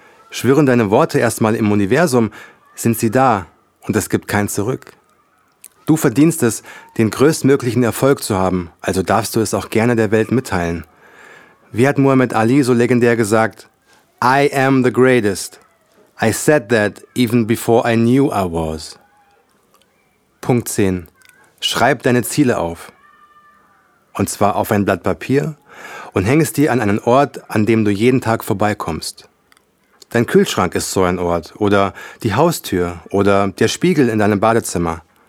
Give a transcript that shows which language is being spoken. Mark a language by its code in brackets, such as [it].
[de] Schwirren deine Worte erstmal im Universum, sind sie da und es gibt kein Zurück. Du verdienst es, den größtmöglichen Erfolg zu haben, also darfst du es auch gerne der Welt mitteilen. Wie hat Muhammad Ali so legendär gesagt? [en] I am the greatest. I said that even before I knew I was. [de] Punkt 10. Schreib deine Ziele auf. Und zwar auf ein Blatt Papier und häng es dir an einen Ort, an dem du jeden Tag vorbeikommst. Dein Kühlschrank ist so ein Ort oder die Haustür oder der Spiegel in deinem Badezimmer.